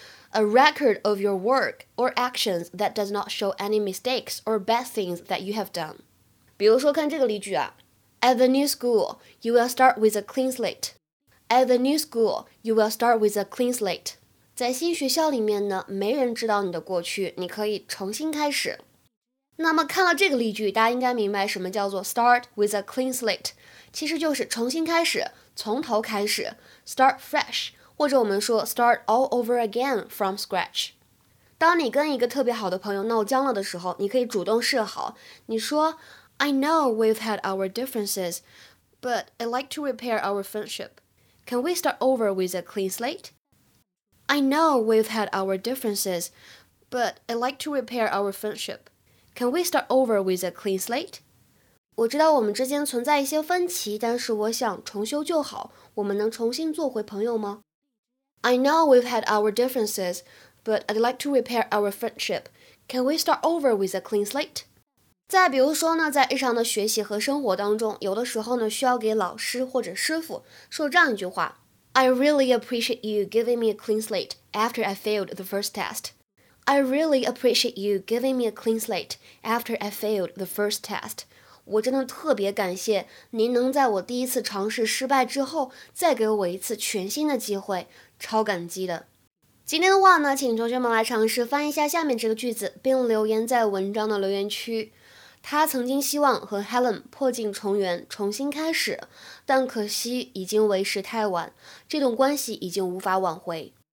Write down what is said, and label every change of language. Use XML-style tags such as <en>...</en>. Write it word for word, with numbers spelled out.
<en>A record of your work or actions that does not show any mistakes or bad things that you have done.</en> <zh>比如说看这个例句啊</zh> <en>At the new school, you will start with a clean slate. At the new school, you will start with a clean slate.</en> <zh>在新学校里面呢，没人知道你的过去，你可以重新开始。那么看了这个例句，大家应该明白什么叫做</zh> <en>start with a clean slate，</en> <zh>其实就是重新开始，从头开始 ，</zh> <en>start fresh。</en> <zh>或者我们说</zh> <en>start all over again from scratch。</en> <zh>当你跟一个特别好的朋友闹僵了的时候，你可以主动示好，你说</zh> <en>I know we've had our differences, but I'd like to repair our friendship. Can we start over with a clean slate? I know we've had our differences, but I'd like to repair our friendship. Can we start over with a clean slate?</en> <zh>我知道我们之间存在一些分歧，但是我想重修就好，我们能重新做回朋友吗？</zh> <en>I know we've had our differences, but I'd like to repair our friendship. Can we start over with a clean slate?</en> <zh>再比如说呢，在日常的学习和生活当中，有的时候呢，需要给老师或者师傅说这样一句话</zh> <en>I really appreciate you giving me a clean slate after I failed the first test. I really appreciate you giving me a clean slate after I failed the first test.</en> <zh>我真的特别感谢您能在我第一次尝试失败之后，再给我一次全新的机会，超感激的。今天的话呢，请同学们来尝试翻译一下下面这个句子，并留言在文章的留言区。他曾经希望和 Helen 破镜重圆，重新开始，但可惜已经为时太晚，这种关系已经无法挽回。</zh>